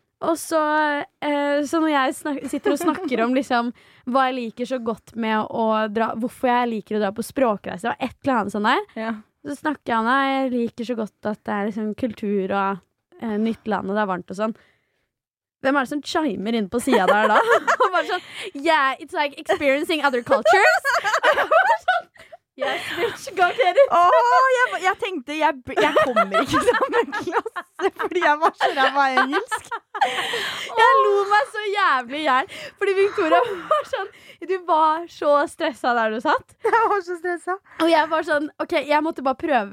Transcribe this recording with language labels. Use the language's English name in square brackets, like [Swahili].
[Norwegian] Og så, så når jeg sitter og snakker om liksom, hva jeg liker så godt med å dra, hvorfor jeg liker å dra på språkreise, og et eller annet sånt der, ja. Så snakker jeg om jeg liker så godt at det er liksom kultur og nytt land og det er varmt og sånn. Hvem er det som chimer inn på siden der da? Og bare sånn, [English] yeah, it's like experiencing other cultures. Yes, bitch, go get it. [Norwegian] Jeg tenkte, jeg kommer ikke sammen klasse, fordi jeg var så rett på engelsk. Jeg lo meg så jævlig hjert, fordi Victoria var sånn, du var så stresset der du satt. Jeg var så stresset. Og jeg var sånn, ok, jeg måtte bare prøve.